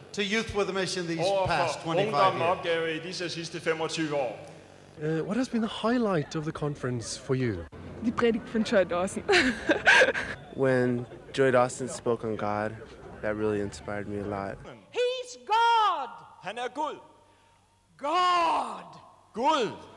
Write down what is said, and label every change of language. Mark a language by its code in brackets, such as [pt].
[en] To Youth with a Mission these past 25 years. [no] Ungdom med oppgave I disse siste 25 år. [en] What has been the highlight of the conference for you? [de] Die Predigt von Joy Dawson. [en] When Joy Dawson spoke on God, that really inspired me a lot. He's God. [no] Han er Gud. [en] God. [no] Gud.